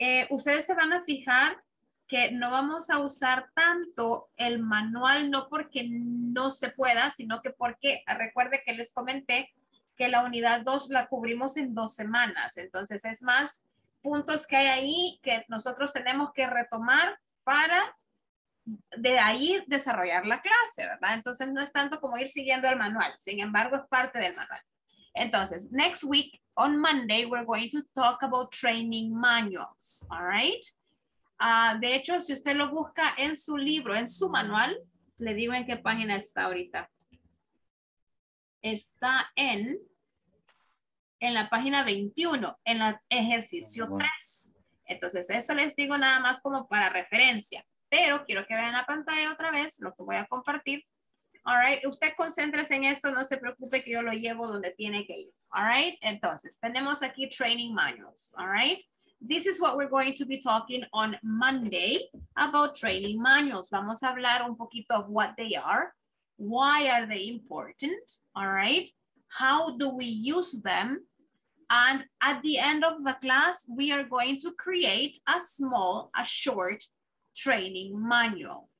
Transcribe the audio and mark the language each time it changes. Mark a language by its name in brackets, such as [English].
[Spanish] Ustedes se van a fijar que no vamos a usar tanto el manual, no porque no se pueda, sino que porque, recuerde que les comenté que la unidad 2 la cubrimos en 2 semanas, entonces es más puntos que hay ahí que nosotros tenemos que retomar para de ahí desarrollar la clase, ¿verdad? Entonces no es tanto como ir siguiendo el manual, sin embargo es parte del manual. Entonces, [English] next week on Monday we're going to talk about training manuals, all right? [Spanish] De hecho, si usted lo busca en su libro, en su manual, le digo en qué página está ahorita. Está en la página 21, en el ejercicio 3. Entonces, eso les digo nada más como para referencia. Pero quiero que vean la pantalla otra vez, lo que voy a compartir. [English] All right. [Spanish] Usted concéntrese en esto, no se preocupe que yo lo llevo donde tiene que ir. [English] All right. [Spanish] Entonces, tenemos aquí [English] training manuals. All right. This is what we're going to be talking on Monday about training manuals. [Spanish] Vamos a hablar un poquito [English] of what they are. Why are they important? All right. How do we use them? And at the end of the class, we are going to create a short training manual.